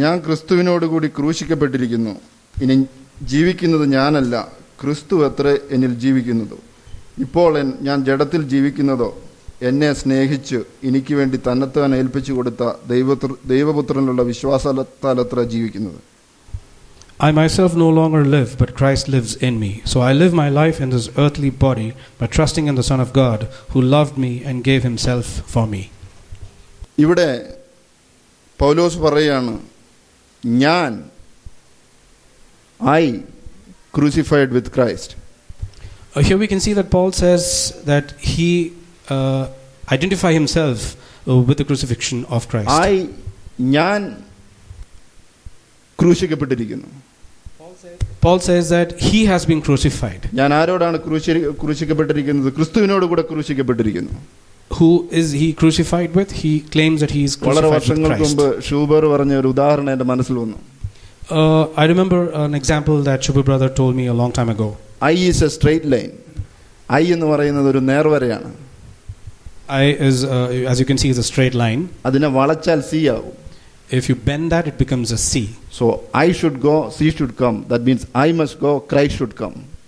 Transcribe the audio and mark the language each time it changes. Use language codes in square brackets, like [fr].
[ml] ഞാൻ ക്രിസ്തുവിനോടുകൂടി ക്രൂശിക്കപ്പെട്ടിരിക്കുന്നു, ഇനി ജീവിക്കുന്നത് ഞാനല്ല, ക്രിസ്തു എത്ര എന്നിൽ ജീവിക്കുന്നത്. ഇപ്പോൾ ഞാൻ ജഡത്തിൽ ജീവിക്കുന്നതോ എന്നെ സ്നേഹിച്ച് എനിക്ക് വേണ്ടി തന്നെത്താൻ ഏൽപ്പിച്ചു കൊടുത്ത ദൈവപുത്രനുള്ള വിശ്വാസത്താലത്ര ജീവിക്കുന്നത്. [en] I myself no longer live, but Christ lives in me. So I live my life in this earthly body by trusting in the Son of God who loved me and gave himself for me. [ml] ഇവിടെ പൗലോസ് പറയുകയാണ്, ഞാൻ [en] I crucified with Christ. Here we can see that Paul says that he identify himself with the crucifixion of Christ. [ml] I ഞാൻ ക്രൂശിക്കപ്പെട്ടിരിക്കുന്നു. [en] Paul says that he has been crucified. [ml] ഞാൻ ആരോടാണ് ക്രൂശിക്കപ്പെട്ടിരിക്കുന്നത്? ക്രിസ്തുവിനോട് കൂടെ ക്രൂശിക്കപ്പെട്ടിരിക്കുന്നു. [en] Who is he crucified with? He claims that he is crucified with Christ. [ml] വളരെ വർഷങ്ങൾക്ക് മുൻപ് ഷൂബർ പറഞ്ഞ ഒരു ഉദാഹരണം എൻ്റെ മനസ്സിൽ വന്നു. [en] I remember an example that Shubha brother told me a long time ago. I is a straight line. I [ml] എന്ന് പറയുന്നത് ഒരു നേർവരയാണ്. [en] I is as you can see is a straight line. [ml] Adina valachal c aavu. [en] If you bend that it becomes a c. So I should go, c should come. That means I must go, Christ should come.